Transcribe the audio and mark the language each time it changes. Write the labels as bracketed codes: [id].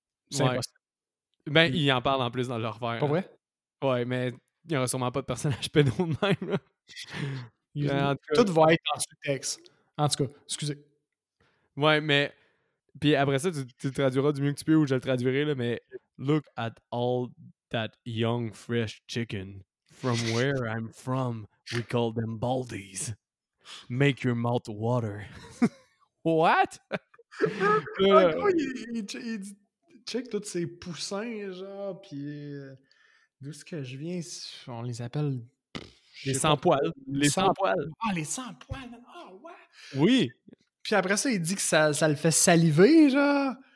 [fr] C'est impossible. Ben, ils en parlent en plus dans leur verre. Pas vrai? Ouais, mais il n'y aura sûrement pas de personnage pédo de même. Tout va être en sous-texte. En tout cas, excusez. Ouais, mais... Puis après ça, tu le traduiras du mieux que tu peux ou je le traduirai, là, mais... [en] Look at all that young, fresh chicken. From where I'm from, we call them baldies. Make your mouth water. What? [fr] il dit, check tous ces poussins, genre, pis d'où est-ce que je viens? On les appelle. Les sans-poils. Les sans-poils. Ah, les sans-poils. Ah, oh, ouais. Oui. Puis après ça, il dit que ça le fait saliver, genre.